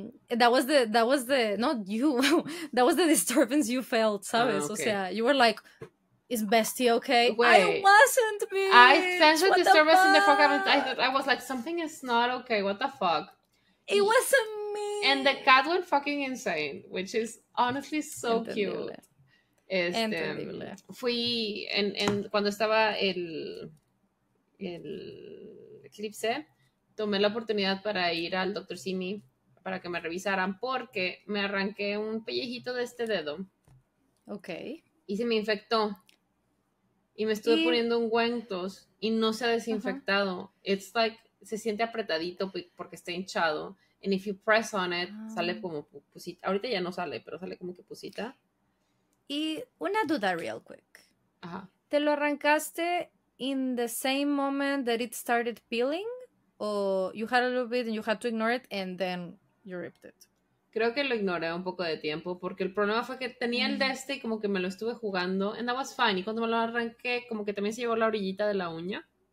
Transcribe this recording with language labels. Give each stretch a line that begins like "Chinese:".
English: That was the disturbance you felt,
Spanish: ¿sabes?
English: Okay.
Spanish: O sea,
English: you were like, is bestie okay? Wait. I wasn't, bitch. I sensed the disturbance in the fuck. I was like, something is not okay. What the fuck? It wasn't me. And the cat went fucking insane, which is honestly so
Spanish: Entendible.
English: Cute.
Spanish: Entendible. Fui en cuando estaba el eclipse, tomé la oportunidad para ir al doctor Simi para que me revisaran porque me arranqué un pellejito de este dedo.
English: Ok.
Spanish: Y se me infectó. Y me estuve poniendo ungüentos y no se ha desinfectado.
English: It's like,
Spanish: se siente apretadito porque está hinchado.
English: And if you press on it,
Spanish: sale como pusita. Ahorita ya no sale, pero sale como que pusita. Y una duda
English: real quick.
Spanish: Ajá. ¿Te lo arrancaste
English: in the same moment that it started peeling, or you had a little bit and you had to ignore it and then you ripped it?
Spanish: Creo que lo ignoré un poco de tiempo porque el problema fue que tenía el de este y como que me lo estuve jugando
English: and that was fine.
Spanish: Y cuando me lo arranqué, como que también se llevó la orillita de la uña.